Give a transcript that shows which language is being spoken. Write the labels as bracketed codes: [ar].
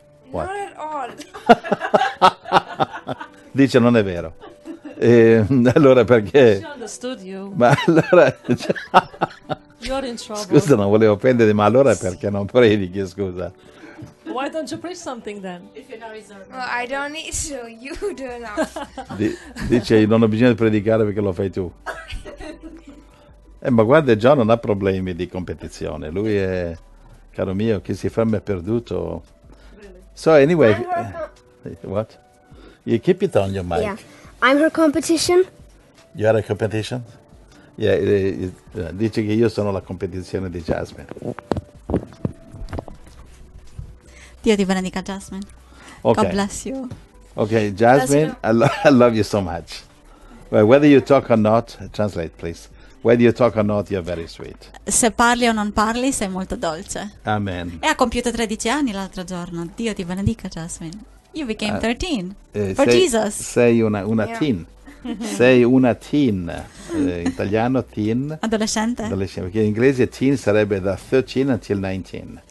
[en] Not at all. [it] Dice non è vero. E allora perché? [en] She understood you. [it] Ma allora [en] You're in trouble. [it] Scusa, non volevo offendere, ma allora perché non predichi, scusa? [en] Why don't you preach something then? If you're not reserved. Well, I don't need to, you do enough. [it] Dice, non ho bisogno di predicare perché lo fai tu. Ma guarda, John non ha problemi di competizione. Lui è, caro mio, chi si ferma è perduto. [en] So anyway, what? You keep it on your mic. Yeah, I'm her competition. You are a competition? [it] Yeah, dice che io sono la competizione di Jasmine. Dio ti benedica, Jasmine. [en] Okay. God bless you. Okay, Jasmine, I love you so much. Well, whether you talk or not, translate please. Whether you talk or not, you're very sweet. [it] Se parli o non parli, sei molto dolce. Amen. E ha compiuto 13 anni l'altro giorno. Dio ti benedica, Jasmine. [en] You became 13. For sei, Jesus. [it] Sei una teen. Sei una teen. In italiano, teen. Adolescente. Perché in inglese teen sarebbe da 13 until 19.